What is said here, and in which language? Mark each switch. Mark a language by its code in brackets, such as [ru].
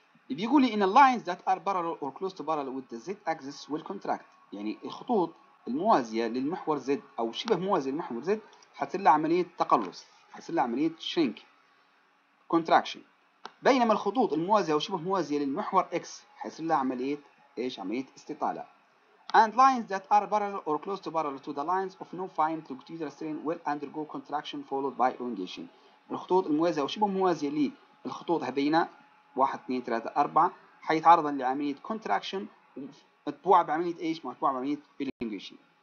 [ar] بيقول لي إن [en] lines that are parallel or close to parallel with the Z axis will contract، [ar] يعني الخطوط الموازية للمحور Z أو شبه موازية للمحور Z حتصير لها عملية تقلص، حتصير لها عملية [en] shrink contraction، [ar] بينما الخطوط الموازية أو شبه موازية للمحور X حيصير لها عملية إيش؟ عملية استطالة. [en] And lines that are parallel or close to parallel to the lines of no finite longitudinal strain will undergo contraction followed by elongation. [ar] الخطوط الموازية أو شبه موازية للخطوط هذينا 1 2 3 4 حيتعرض لعملية contraction مطبوعة بعملية إيش؟ مطبوعة بعملية elongation.